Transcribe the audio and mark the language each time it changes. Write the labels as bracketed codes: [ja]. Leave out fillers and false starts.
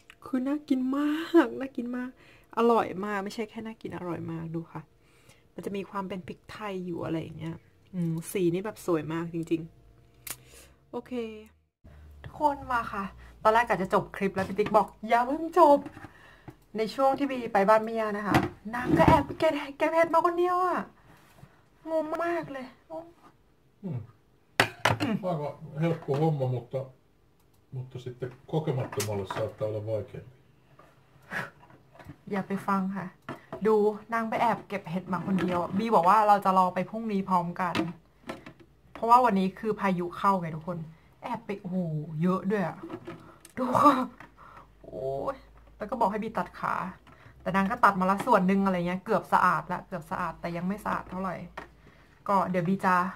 [th] คือน่ากินมากน่ากินมากอร่อยมากไม่ใช่แค่น่ากินอร่อยมากดูค่ะมันจะมีความเป็นพริกไทยอยู่อะไรอย่างเงี้ยสีนี่แบบสวยมากจริงๆโอเคทุกคนมาค่ะตอนแรกอาจจะจบคลิปแล้วพี่ติ๊กบอกอย่าเพิ่งจบในช่วงที่บีไปบ้านเมียนะคะนางก็แอบแกเพ็ดมาคนเดียวอ่ะงงมากเลย ว่าก็ [fi] helppo homma mutta sitten kokemattomalle saattaa olla vaikeampi [th] อย่าไปฟังค่ะดูนางไปแอบเก็บเห็ดมาคนเดียวบีบอกว่าเราจะรอไปพรุ่งนี้พร้อมกันเพราะว่าวันนี้คือพายุเข้าไงทุกคนแอบไปโอ้โหเยอะด้วยอ่ะดูค่ะโอ้ยแล้วก็บอกให้บีตัดขาแต่นางก็ตัดมาละส่วนนึงอะไรเงี้ยเกือบสะอาดละเกือบสะอาดแต่ยังไม่สะอาดเท่าไหร่ก็เดี๋ยวบีจะ